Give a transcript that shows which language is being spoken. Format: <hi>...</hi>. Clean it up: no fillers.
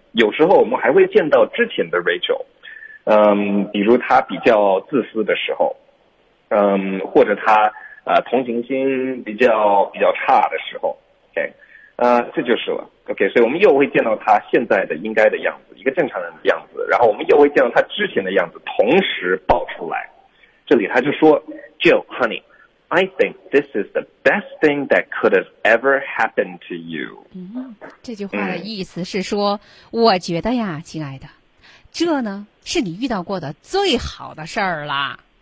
<zh>有时候我们还会见到之前的 Rachel， 比如他比较自私的时候，或者他同情心比较差的时候 ，OK， 这就是了 ，OK， 所以我们又会见到他现在的应该的样子，一个正常人的样子，然后我们又会见到他之前的样子，同时爆出来。</zh> <en>这里他就说，Jill honey， I think this is the best thing that could have ever happened to you。</en> <zh>这句话的意思是说，我觉得呀，亲爱的，这呢是你遇到过的最好的事儿啦。</zh>